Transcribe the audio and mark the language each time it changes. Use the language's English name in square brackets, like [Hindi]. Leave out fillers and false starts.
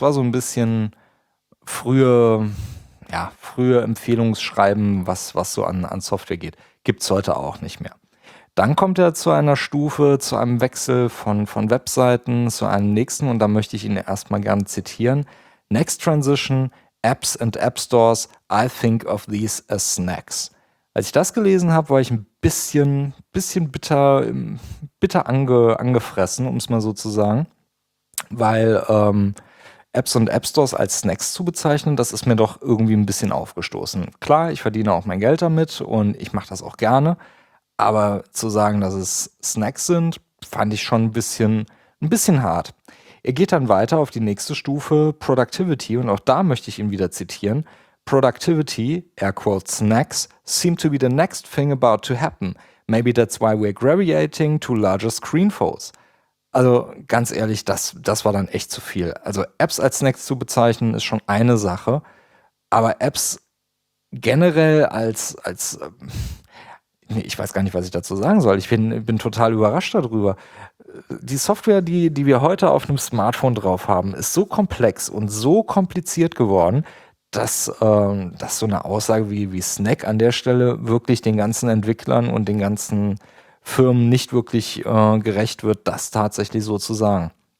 [German] Es war so ein bisschen frühe Empfehlungsschreiben, was so an Software geht. Gibt's heute auch nicht mehr. Dann kommt er zu einer Stufe, zu einem Wechsel von Webseiten zu einem nächsten und da möchte ich ihn erstmal gerne zitieren. [English] Next Transition, Apps and App Stores, I think of these as snacks. [German] Als ich das gelesen habe, war ich ein bisschen bitter angefressen, um es mal so zu sagen. Weil Apps und App Stores als Snacks zu bezeichnen, das ist mir doch irgendwie ein bisschen aufgestoßen. Klar, ich verdiene auch mein Geld damit und ich mache das auch gerne. Aber zu sagen, dass es Snacks sind, fand ich schon ein bisschen hart. Er geht dann weiter auf die nächste Stufe, Productivity, und auch da möchte ich ihn wieder zitieren. [English] Productivity, air quotes snacks, seem to be the next thing about to happen. Maybe that's why we're gravitating to larger screen foes. [German] Also ganz ehrlich, das war dann echt zu viel. Also Apps als Snacks zu bezeichnen, ist schon eine Sache. Aber Apps generell ich weiß gar nicht, was ich dazu sagen soll. Ich bin total überrascht darüber. Die Software, die wir heute auf einem Smartphone drauf haben, ist so komplex und so kompliziert geworden, dass so eine Aussage wie Snack an der Stelle wirklich den ganzen Entwicklern und den ganzen Firmen nicht wirklich gerecht wird, das tatsächlich so zu sagen.